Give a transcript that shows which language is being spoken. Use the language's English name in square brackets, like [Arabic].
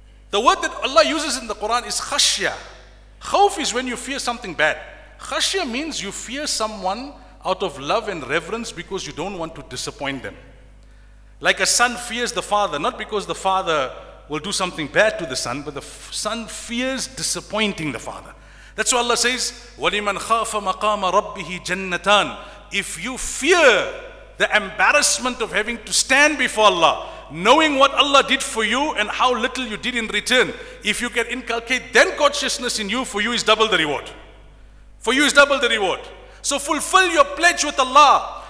[English] The word that Allah uses in the Quran is khashya. Khawf is when you fear something bad. Khashya means you fear someone out of love and reverence because you don't want to disappoint them. Like a son fears the father, not because the father will do something bad to the son, but the son fears disappointing the father. That's why Allah says, [Arabic] وَلِمَنْ خَافَ مَقَامَ رَبِّهِ جَنَّتَانَ. [English] If you fear the embarrassment of having to stand before Allah, knowing what Allah did for you and how little you did in return, if you can inculcate then consciousness in you, for you is double the reward. For you is double the reward. So fulfill your pledge with Allah.